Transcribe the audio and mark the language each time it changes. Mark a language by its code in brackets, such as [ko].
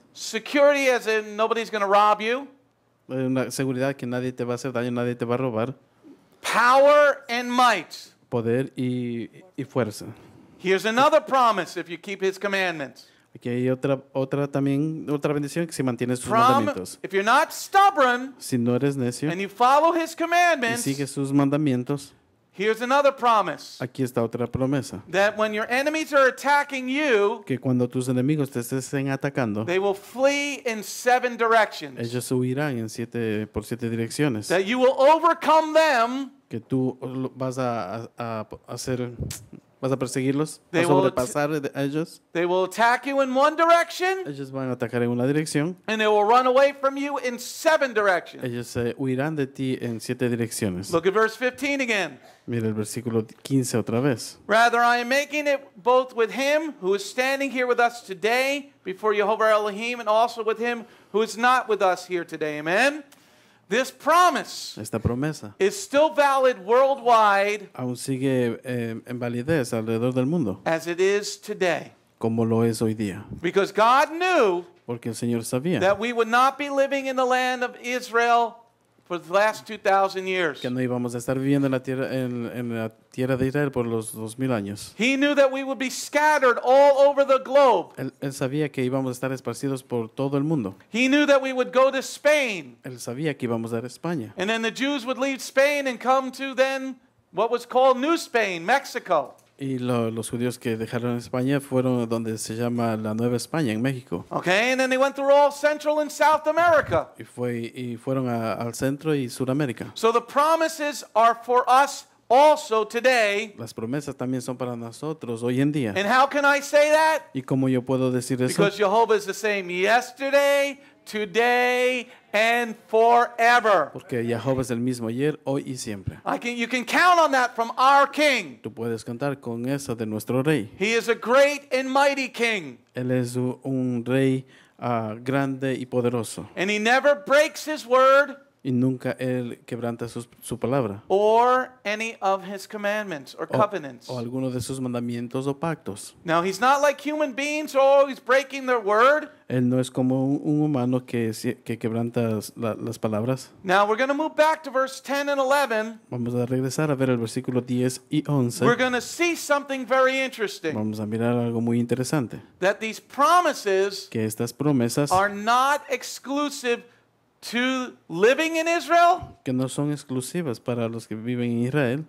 [en] Security, as in nobody's going to rob you. [es] Una seguridad que nadie te va a hacer daño, nadie te va a robar. [en] Power and might. [es] Poder y fuerza. [en] Here's another promise if you keep his commandments. [es] Aquí hay otra bendición que si mantienes sus mandamientos. [en] If you're not stubborn, [es] si no eres necio, [en] and you follow his commandments, [es] y sigues sus mandamientos. [en] Here's another promise. [es] Aquí está otra promesa. [en] That when your enemies are attacking you, [es] que cuando tus enemigos te estén atacando, [en] they will flee in seven directions. [es] Ellos huirán en siete, por siete direcciones. [en] That you will overcome them, [es] que tú vas a perseguirlos, vas a sobrepasar a ellos. [en] They will attack you in one direction. [es] Ellos van a atacar en una dirección. [en] And they will run away from you in seven directions. [es] Ellos huirán de ti en siete direcciones. [en] Look at verse 15 again. [es] Mira el versículo 15 otra vez. [en] Rather, I am making it both with him who is standing here with us today before Yehovah Elohim, and also with him who is not with us here today. Amen. This promise, [es] esta promesa, [en] is still valid worldwide, [es] aún sigue en validez alrededor del mundo, [en] as it is today, [es] como lo es hoy día, [en] because God knew, [es] porque el Señor sabía, [en] that we would not be living in the land of Israel for the last 2,000 years. [es] Que no íbamos a estar viviendo en la tierra de Israel por los 2,000 años. [en] He knew that we would be scattered all over the globe. [es] Él sabía que íbamos a estar esparcidos por todo el mundo. [en] He knew that we would go to Spain. [es] Él sabía que íbamos a España. [en] And then the Jews would leave Spain and come to then what was called New Spain, Mexico. [es] Y los judíos que dejaron España fueron donde se llama la Nueva España, en México. [en] Okay, and then they went through all Central and South America. [es] Y fueron al centro y Sudamérica. [en] So the promises are for us also today. [es] Las promesas también son para nosotros hoy en día. [en] And how can I say that? [es] ¿Y cómo yo puedo decir eso? [en] Because Jehovah is the same yesterday, today, and forever. [es] Porque Jehová es el mismo ayer, hoy y siempre. [en] You can count on that from our King. [es] Tú puedes contar con eso de nuestro Rey. [en] He is a great and mighty King. [es] Él es un Rey grande y poderoso. [en] And he never breaks his word. [es] Y nunca él quebranta su palabra. [en] Or any of his commandments or covenants. [es] O alguno de sus mandamientos o pactos. [en] Now he's not like human beings who are always breaking their word. [es] Él no es como un humano que quebranta las palabras. [en] Now we're going to move back to verse 10 and 11. [es] Vamos a regresar a ver el versículo 10 y 11. [en] We're going to see something very interesting. [es] Vamos a mirar algo muy interesante. [en] That these promises, [es] que estas promesas, [en] are not exclusive to living in Israel, [es] que no son exclusivas para los que viven en Israel,